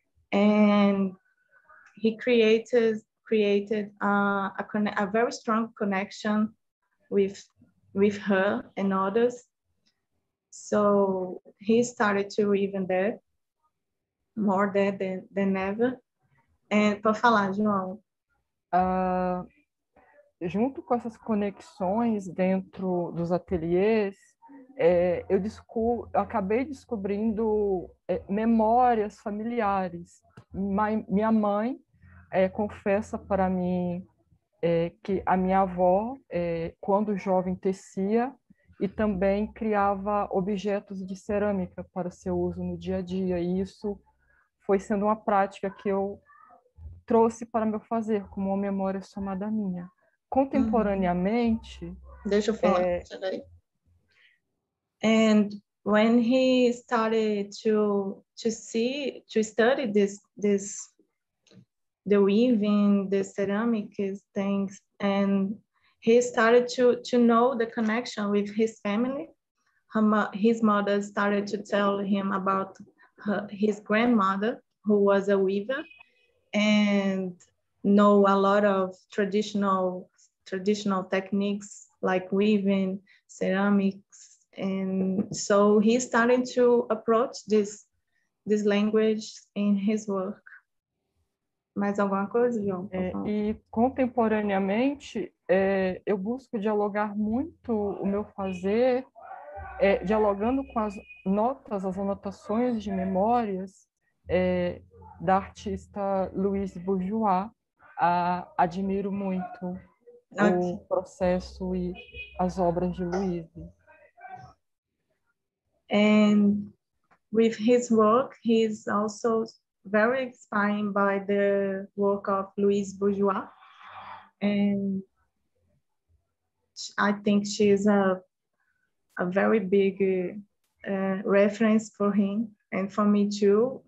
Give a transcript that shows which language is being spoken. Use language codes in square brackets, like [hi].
[en] And he created a very strong connection with her and others. So he started to weave in there, more there than ever. [pt] And para falar, João. Junto com essas conexões dentro dos ateliês, eu acabei descobrindo memórias familiares. Minha mãe confessa para mim que a minha avó, quando jovem, tecia e também criava objetos de cerâmica para seu uso no dia a dia. E isso foi sendo uma prática que eu trouxe para meu fazer, como uma memória somada à minha. Contemporaneamente... Uhum. Deixa eu falar. [en] And when he started to study this the weaving, the ceramic things, and he started to know the connection with his family. His mother started to tell him about his grandmother, who was a weaver, and know a lot of traditional techniques like weaving, ceramics. And so he started to approach this language in his work. [pt] Mais alguma coisa, João? E contemporaneamente, eu busco dialogar muito o meu fazer, dialogando com as notas, as anotações de memórias da artista Louise Bourgeois. Admiro muito o processo e as obras de Louise. [en] And with his work, he's also very inspired by the work of Louise Bourgeois. And I think she's a very big reference for him and for me too.